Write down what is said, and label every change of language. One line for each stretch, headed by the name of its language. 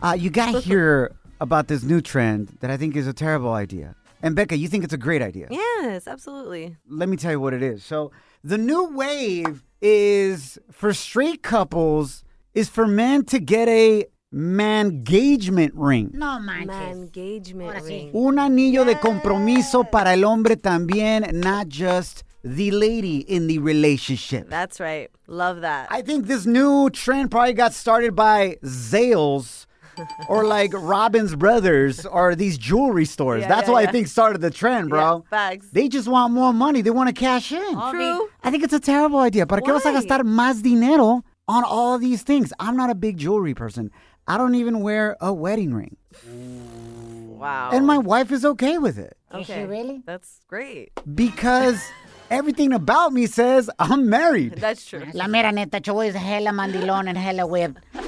English: You got to hear about this new trend that I think is a terrible idea. And Becca, you think it's a great idea. Yes, absolutely. Let me tell you what it is. So the new wave is for straight couples is for men to get a mangagement ring.
Spanish: No manches.
English: Mangagement ring.
Spanish: Un anillo de compromiso para el hombre también,
English: not just the lady in the relationship. That's right. Love that. I think this new trend probably got started by Zales. Or like Robin's Brothers or these jewelry stores. Yeah, that's why I think started the trend, bro. Yeah, facts. They just want more money. They want to cash in. All true. I think it's a terrible idea.
Spanish: ¿Para qué vas a gastar más dinero
English: on all of these things? I'm not a big jewelry person. I don't even wear a wedding ring. Wow. And my wife is okay with it. Okay. Is she really? That's great. Because everything about me says I'm married. That's true.
Spanish: La mera neta, yo es hella mandilón and hella whip.